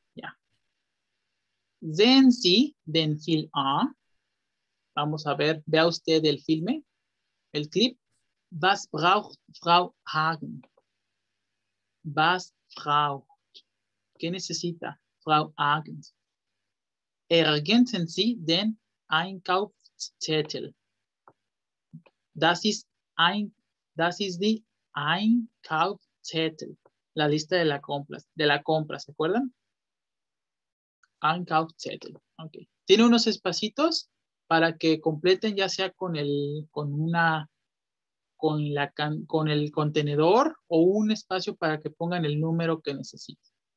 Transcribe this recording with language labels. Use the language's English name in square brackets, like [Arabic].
[German] Ya. Sehen Sie den Film an. [Spanish] Vamos a ver, vea usted el filme, el clip. [German] Was braucht Frau Hagen? Was braucht? [Spanish] ¿Qué necesita Frau Hagen? [German] Ergänzen Sie den Einkauf. Zettel. Das ist die Einkaufszettel. [Spanish] La lista de la compra, ¿se acuerdan? Einkaufszettel. Okay. Tiene unos espacitos para que completen ya sea con el contenedor o un espacio para que pongan el número que necesiten.